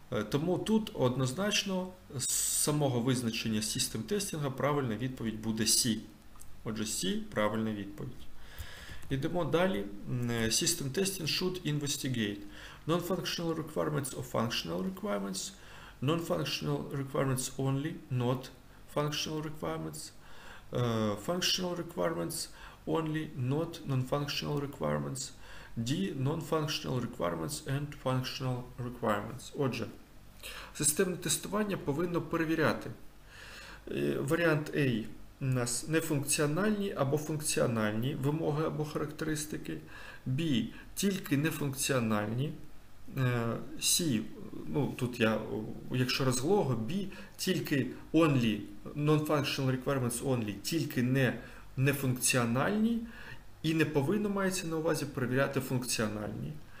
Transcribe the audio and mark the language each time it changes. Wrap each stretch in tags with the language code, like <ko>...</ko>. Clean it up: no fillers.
<uk>Тому тут однозначно самого визначення систем тестінга правильна відповідь буде C. Отже, C – правильна відповідь. Йдемо далі.</uk> <en>System testing should investigate non-functional requirements or functional requirements, non-functional requirements only, not functional requirements, functional requirements only, not non-functional requirements, D – non-functional requirements and functional requirements.</en> <uk>Отже, системне тестування повинно перевіряти. Варіант A у нас нефункціональні або функціональні вимоги або характеристики. B тільки нефункціональні. C, ну тут я, якщо розлого, B тільки only,</uk> <en>non-functional requirements only,</en> <uk>тільки нефункціональні і не повинно, мається на увазі, перевіряти функціональні.</uk>